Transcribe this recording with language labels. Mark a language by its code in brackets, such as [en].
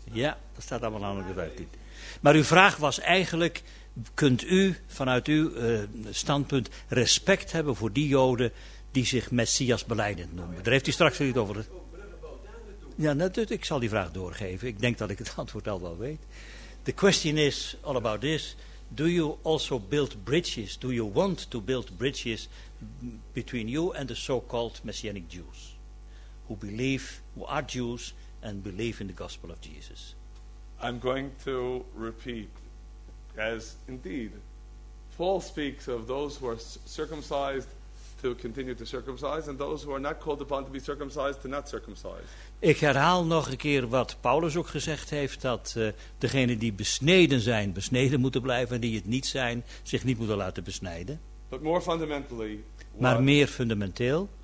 [nl] Ja, dat staat allemaal namelijk de 15. Maar uw vraag was eigenlijk. Kunt u vanuit uw standpunt respect hebben voor die Joden die zich Messias belijdend noemen? Daar heeft u straks niet over. Bruggenbouw daar naartoe. Ja, natuurlijk. Ik zal die vraag doorgeven. Ik denk dat ik het antwoord al wel weet. [en] The question is all about this. Do you also build bridges? Do you want to build bridges between you and the so-called Messianic Jews? Who believe, who are Jews and believe in the gospel of Jesus? I'm going to repeat, as indeed Paul speaks of those who are circumcised to continue to circumcise and those who are not called upon to be circumcised to not circumcise. [nl] Ik herhaal nog een keer wat Paulus ook gezegd heeft, dat degenen die besneden zijn, besneden moeten blijven, en die het niet zijn, zich niet moeten laten besnijden. [en] But more fundamentally, [nl] maar meer fundamenteel,